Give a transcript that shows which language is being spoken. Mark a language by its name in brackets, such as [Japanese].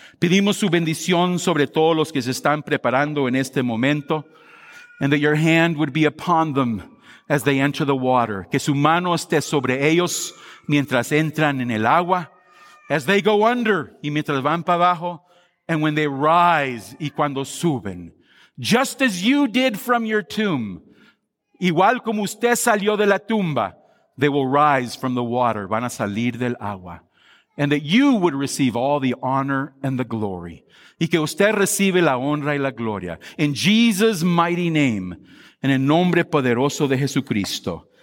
[Spanish] Pedimos su bendición sobre todos los que se están preparando en este momento. [English] And that your hand would be upon them as they enter the water. [Spanish] Que su mano esté sobre ellos mientras entran en el agua. [English] As they go under [Spanish] y mientras van para abajo. [English] And when they rise [Spanish] y cuando suben. [English] Just as you did from your tomb. [Spanish] Igual como usted salió de la tumba, [English] they will rise from the water. [Spanish] Van a salir del agua. [English] And that you would receive all the honor and the glory. [Spanish] Y que usted recibe la honra y la gloria. [English] In Jesus' mighty name, [Spanish] en el nombre poderoso de Jesucristo.